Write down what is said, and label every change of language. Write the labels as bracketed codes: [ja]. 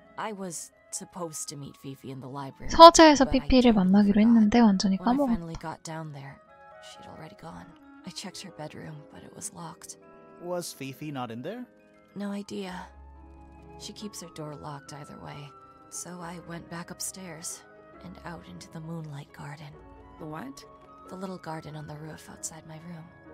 [en] I was supposed to meet Fifi in the library. [ko] 서재에서 PP를 만나기로 했는데 완전히 까먹었다. [en] When I finally got down there, she'd already gone. I checked her bedroom, but it was locked. Was Fifi not in there? No idea. She keeps her door locked either way. So I went back upstairs. and out into the moonlight garden. The what? The little garden on the roof outside my room.